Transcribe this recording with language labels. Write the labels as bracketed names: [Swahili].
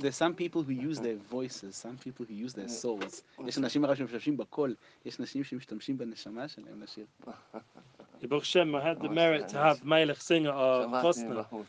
[English] There's some people who use their voices, some people who use their souls. [Hebrew] יש אנשים רבים שמשתמשים בקול, יש אנשים שמשתמשים בנשמה שלהם לשיר. [English] Baruch Hashem, I had the merit to have Melech sing at our Kosna.